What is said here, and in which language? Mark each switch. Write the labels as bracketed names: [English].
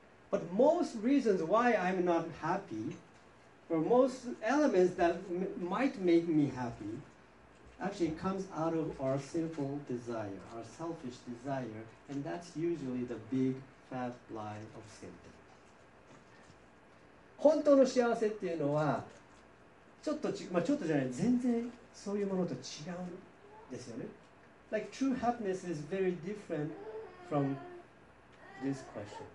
[English] But most reasons why I'm not happy, or most elements that might make me happy, actually comes out of our sinful desire, our selfish desire, and that's usually the big fat lie of Satan. [Japanese] 本当の幸せっていうのはちょっとじゃない、全然そういうものと違う。ですよね。 [English] Like true happiness is very different from these questions.